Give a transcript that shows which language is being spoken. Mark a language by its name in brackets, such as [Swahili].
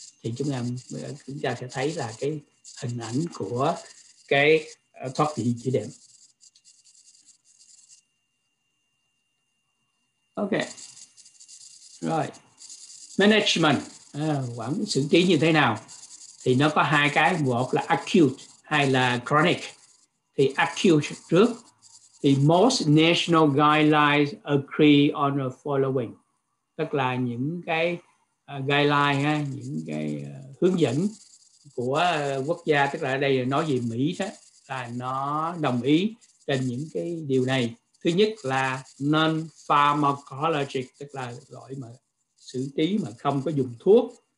[Vietnamese] Thì chúng ta sẽ thấy là cái hình ảnh của cái thoát vị dĩa đệm. Ok. Rồi. Management, quản xử trí như thế nào? Thì nó có hai cái, một là acute, hai là chronic. Thì acute trước. [English] The most national guidelines agree on the following. [Vietnamese] Tức là những cái guideline, những cái hướng dẫn của quốc gia, tức là ở đây nói về Mỹ đó, là nó đồng ý trên những cái điều này. Thứ nhất là non-pharmacologic, tức là gọi mà xử trí mà không có dùng thuốc.